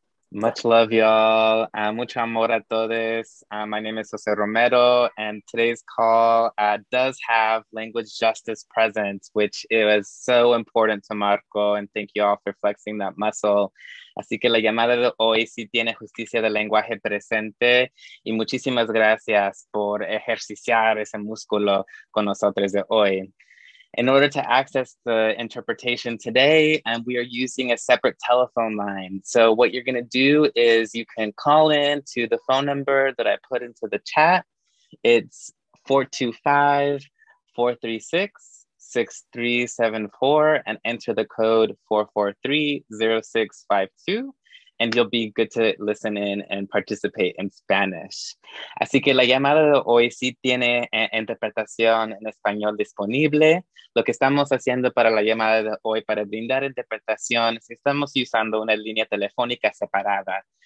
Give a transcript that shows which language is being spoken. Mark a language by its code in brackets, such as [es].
[en] Much love, y'all. [es] Mucho amor a todos. [en] My name is Jose Romero, and today's call does have language justice presence, which is so important to Marco, and thank you all for flexing that muscle. [es] Así que la llamada de hoy sí tiene justicia de lenguaje presente, y muchísimas gracias por ejercitar ese músculo con nosotros de hoy. [en] In order to access the interpretation today, we are using a separate telephone line. So what you're going to do is you can call in to the phone number that I put into the chat. It's 425-436-6374 and enter the code 443-0652. And you'll be good to listen in and participate in Spanish. [es] Así que la llamada de hoy sí tiene interpretación en español disponible. Lo que estamos haciendo para la llamada de hoy para brindar interpretación es que estamos usando una línea telefónica separada.